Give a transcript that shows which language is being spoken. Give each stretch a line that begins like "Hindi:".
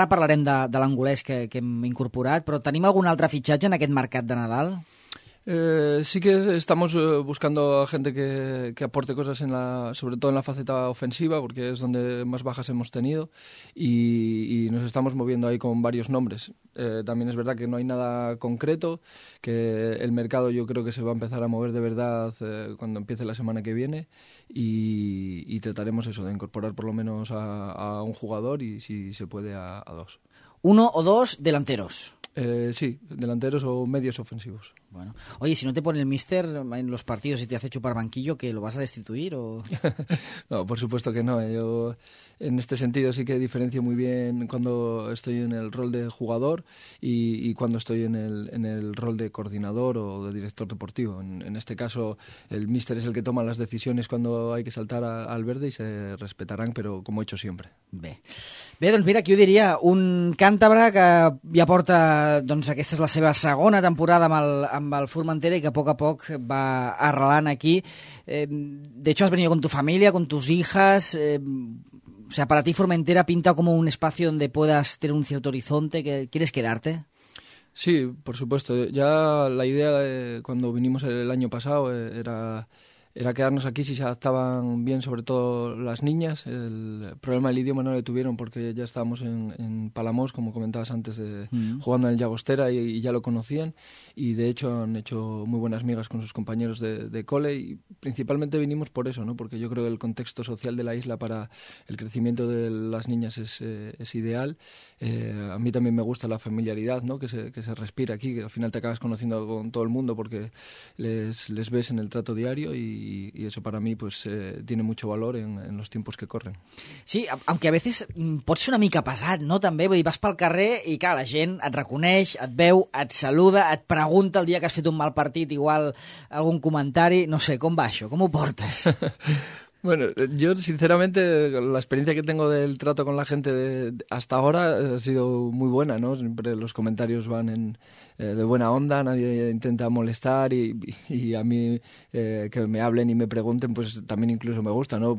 Catalan: Ara parlarem de l'angolès que hem incorporat, però tenim algun altre fitxatge en aquest mercat de Nadal?
Spanish: Sí que estamos buscando a gente que aporte cosas en la, sobre todo en la faceta ofensiva, porque es donde más bajas hemos tenido y nos estamos moviendo ahí con varios nombres. También es verdad que no hay nada concreto, que el mercado yo creo que se va a empezar a mover de verdad cuando empiece la semana que viene y trataremos eso, de incorporar por lo menos a un jugador y si se puede a dos. Uno o dos delanteros. Sí, delanteros o medios ofensivos. Bueno, oye, si no te pone el míster en los partidos y te hace chupar banquillo, ¿qué, lo vas a destituir o...? No, por supuesto que no. Yo en este sentido sí que diferencio muy bien cuando estoy en el rol de jugador y cuando estoy en el rol de coordinador o de director deportivo. En este caso el míster es el que toma las decisiones cuando hay que saltar al verde y se respetarán, pero como he hecho siempre.
Catalan: Bé, doncs mira, aquí ho diria, un càntabre que ja porta, doncs aquesta és la seva segona temporada amb el Formentera i que a poc va arrelant aquí.
Spanish: De hecho, has venido con tu familia, con tus hijas. O sea, para ti Formentera pinta como un espacio donde puedas tener un cierto horizonte. ¿Quieres quedarte? Sí, por supuesto. Ya la idea cuando vinimos el año pasado era quedarnos aquí si se adaptaban bien, sobre todo las niñas. El problema del idioma no lo tuvieron porque ya estábamos en Palamós, como comentabas antes, jugando en el Llagostera y ya lo conocían. Y de hecho han hecho muy buenas migas con sus compañeros de cole y principalmente vinimos por eso, ¿no? Porque yo creo que el contexto social de la isla para el crecimiento de las niñas es ideal. A mí también me gusta la familiaridad, ¿no?, que se respira aquí, que al final te acabas conociendo con todo el mundo porque les ves en el trato diario y eso para mí pues tiene mucho valor en los tiempos que corren.
Catalan: Sí,
Spanish: aunque a veces
Catalan: pot ser una mica pesat, ¿no?, també. Vull dir, vas pel carrer i clar, la gent et reconeix, et veu, et saluda, et pregunta el dia que has fet un mal partit, igual algun comentari, no sé, com va això? Com ho portes?
Spanish: Bueno, yo sinceramente la experiencia que tengo del trato con la gente hasta ahora ha sido muy buena, ¿no? Siempre los comentarios van de buena onda, nadie intenta molestar y a mí que me hablen y me pregunten pues también incluso me gusta, ¿no?